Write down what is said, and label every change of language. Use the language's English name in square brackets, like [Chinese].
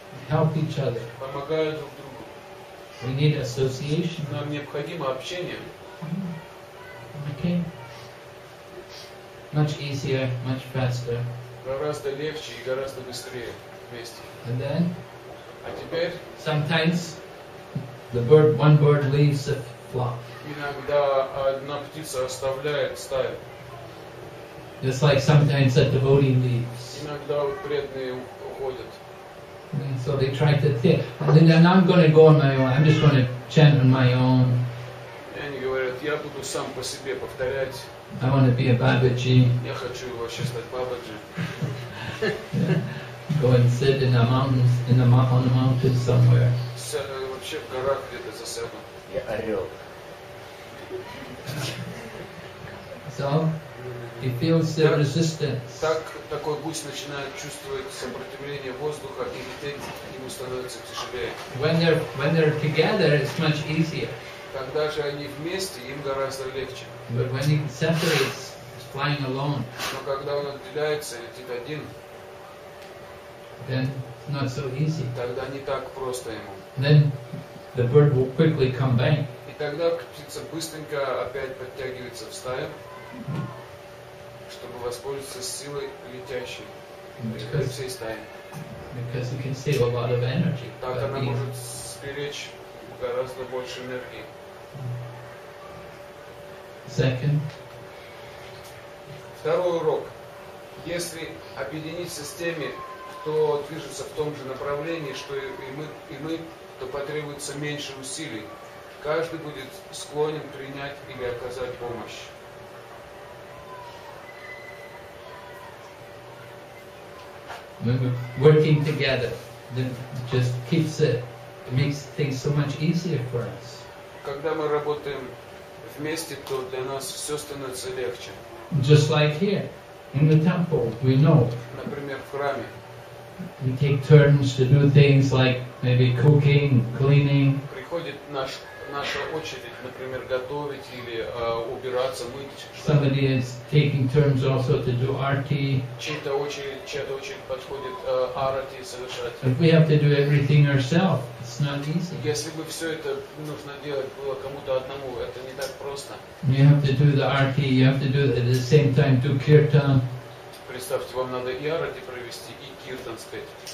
[English] Help each other. [Russian] Помогая друг другу. [English] We need association. [Russian] Нам необходимо общение. [English] Okay. Much easier, much faster. [Russian] Гораздо легче и гораздо быстрее вместе. [English] And then? [Russian] А теперь? [English] Sometimes the bird, one bird leaves a flock. [Russian] Иногда одна птица оставляет стаю. [English] Just like sometimes a devotee leaves. [Russian] Иногда вот преданные уходят. [English] And so they try to think. And then I'm not going to go on my own. I'm just going to chant on my own. [Russian] И они говорят, я буду сам по себе повторять. [English] I want to be a Babaji. [Russian] Я хочу вообще стать Бабаджи. [English] Go and sit in the mountains, in the on the mountain somewhere. [Russian] Вообще в горах где-то засяду. Я орел. [English] So, he feels the resistance. [Russian] Так такой гусь начинает чувствовать сопротивление воздуха и ему становится тяжелее. [English] When they're together, it's much easier. [Russian] Когда же они вместе, им гораздо легче. [English] But when he separates, he's flying alone. [Russian] Но когда он отделяется, летит один. [English] Then not so easy. [Russian] Тогда не так просто ему. [English] Then the bird will quickly come back. [Russian] И тогда птица быстренько опять подтягивается в стаю, чтобы воспользоваться силой летящей [English] because, [Russian] всей стаи. [English] Because you can save a lot of energy. [Russian] Так она может сберечь гораздо больше энергии. [English] Second. [Russian] Второй урок. Если объединиться с теми, кто движется в том же направлении, что и мы, то потребуется меньше усилий. Каждый будет склонен принять или оказать помощь. [English] Working together just keeps it makes things so much easier for us. [Russian] Когда мы работаем вместе, то для нас все становится легче. [English] Just like here, in the temple, we know. [Russian] Например, в храме. [English] We take turns to do things like maybe cooking, cleaning. [Russian] Приходит наша очередь, например, готовить или убираться, мыть. [English] Somebody is taking turns also to do arati. [Russian] Чья-то очередь подходит арати совершать. [English] But we have to do everything ourselves. It's not easy. [Russian] Если бы все это нужно делать было кому-то одному, это не так просто. [English] You have to do the arati. You have to do at the same time do kirtan. [Russian] Представьте, вам надо и арати провести, и киртан спеть.